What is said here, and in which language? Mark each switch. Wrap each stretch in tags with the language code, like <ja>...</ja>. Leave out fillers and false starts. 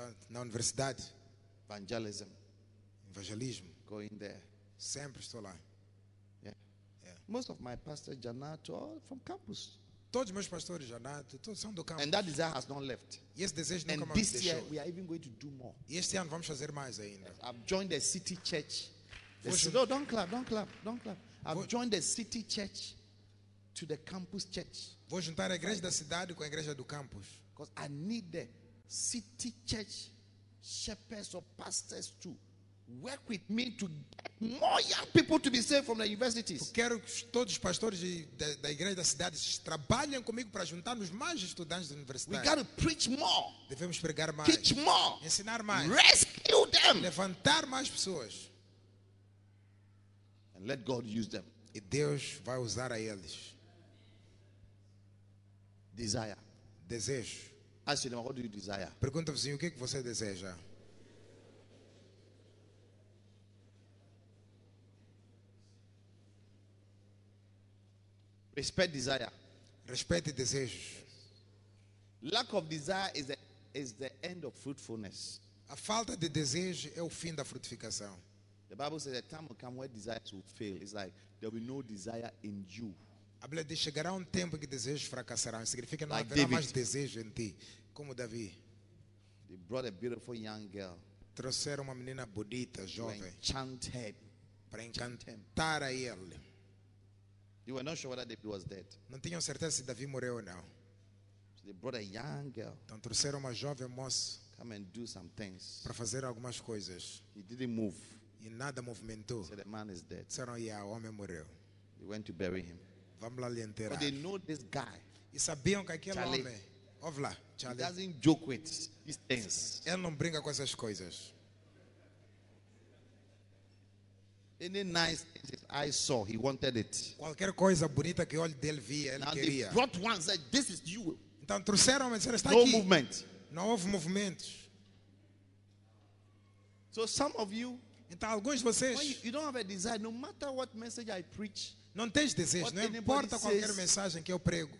<pt>Na universidade.</pt> <en>Evangelism.</en> <pt>Evangelismo.</pt> <en>Going there.</en> <pt>Sempre estou lá.</pt> <en>Yeah. Most of my pastors, Janato, all from campus.</en> <pt>Todos meus pastores, Janato, todos são do campus.</pt> <en>And that desire has not left.</en> <pt>E esse desejo</pt> <en>and</en> <pt>nunca</pt> <en>this year, we are even going to do more.</en> <pt>E este ano vamos fazer mais ainda.</pt> <en>Yes, I've joined the city church. Don't clap. I've joined the city church to the campus church.</en> <pt>Vou juntar a igreja da cidade com a igreja do campus.</pt> <en>Because I need the city church shepherds or pastors to work with me to get more young people to be saved from the universities.</en> <pt>Eu quero que todos os pastores da igreja da cidade trabalhem comigo para juntarmos mais estudantes da universidade.</pt> <en>We got to preach more.</en> <pt>Devemos pregar mais.</pt> <en>Teach more.</en> <pt>Ensinar mais.</pt> <en>Rescue them.</en> <pt>Levantar mais pessoas.</pt> <en>And let God use them.</en> <pt>E Deus vai usar a eles.</pt> <en>Desire.</en> <pt>Desejo.</pt> <en>Ask them, what do you desire?</en> <pt>Pergunta ao vizinho, o que é que você deseja?</pt> <en>Respect desire.</en> <pt>Respeite desejos.</pt> <en>Lack of desire is the end of fruitfulness.</en> <pt>A falta de desejo é o fim da frutificação.</pt> <en>The Bible says a time will come where desires will fail. It's like there will be no desire in you.</en> <pt>A Bíblia diz, chegará um tempo que desejos fracassarão. Significa não haverá mais desejo em ti. Como Davi.</pt> <en>They brought a beautiful young girl.</en> <pt>Trouxeram uma menina bonita, jovem.</pt> <en>Enchanted.</en> <pt>Para encantar a ele.</pt> <en>They were not sure whether David was dead.</en> <pt>Não tinham certeza se Davi morreu ou não.</pt> <en>So they brought a young girl.</en> <pt>Então trouxeram uma jovem moça.</pt> <en>Come and do some things.</en> <pt>Para fazer algumas coisas.</pt> <en>He didn't move.</en> <pt>E nada movimentou.</pt> <en>So the man is dead.</en> <pt>Disseram, o homem morreu.</pt> <en>They went to bury him.</en> <pt>Vamos lá lhe enterrar.</pt> <en>But they know this guy.</en> <pt>E sabiam que aquele</pt> <en>Charlie.</en> <pt>Homem. Ouve lá, Charlie.</pt> <en>He doesn't joke with his things.</en> <pt>Ele não brinca com essas coisas.</pt> <en>Any nice thing his eyes saw, he wanted it.</en> <pt>Qualquer coisa bonita que o olho dele via, ele</pt> <en>now</en> <pt>queria.</pt> <en>They brought one, said, "This is you."</en> <pt>Então trouxeram e disseram, está</pt> <en>no</en> <pt>aqui.</pt> <en>Movement.</en> <pt>Não houve movimento.</pt> <en>So some of you,</en> <pt>então alguns de vocês,</pt> <en>you don't have a desire, no matter what message I preach.</en> <pt>Não tens desejo, não importa qualquer mensagem que eu prego.</pt>